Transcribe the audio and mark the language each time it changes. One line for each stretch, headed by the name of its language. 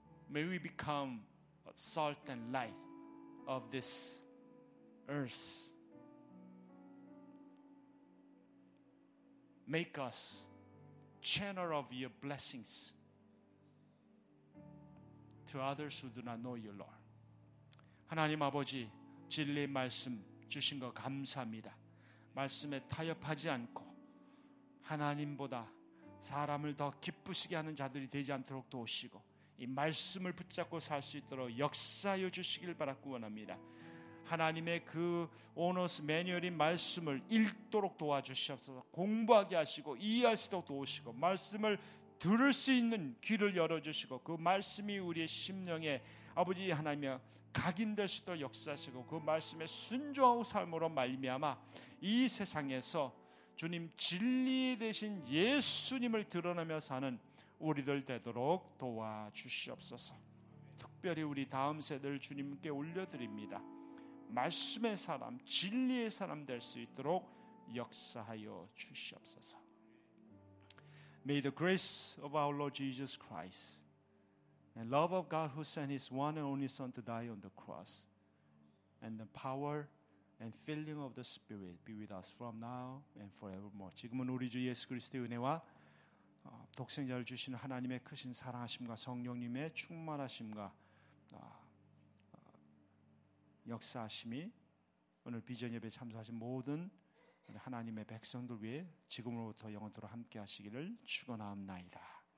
English: May we become salt and light of this earth. make us channel of your blessings to others who do not know you, Lord.
Korean: 하나님 아버지, 진리의 말씀 주신 거 감사합니다. 말씀에 타협하지 않고 하나님보다 사람을 더 기쁘시게 하는 자들이 되지 않도록 도우시고 이 말씀을 붙잡고 살 수 있도록 역사하여 주시길 바라고 원합니다. 하나님의 그 오너스 매뉴얼인 말씀을 읽도록 도와주시옵소서. 공부하게 하시고 이해할 수 있도록 도우시고 말씀을 들을 수 있는 귀를 열어주시고 그 말씀이 우리의 심령에 아버지 하나님이 각인될 수 있도록 역사하시고 그 말씀에 순종하고 삶으로 말미암아 이 세상에서 주님 진리 대신 예수님을 드러내며 사는 우리들 되도록 도와주시옵소서. 특별히 우리 다음 세대를 주님께 올려드립니다. 말씀의 사람, 진리의 사람 될 수 있도록 역사하여 주시옵소서.
English: May the grace of our Lord Jesus Christ and love of God who sent his one and only son to die on the cross and the power and filling of the Spirit be with us from now and forevermore.
Korean: 지금은 우리 주 예수 그리스도의 은혜와 독생자를 주신 하나님의 크신 사랑하심과 성령님의 충만하심과 역사하심이 오늘 비전 예배에 참석하신 모든 하나님의 백성들 위해 지금으로부터 영원토록 함께 하시기를 축원하옵나이다.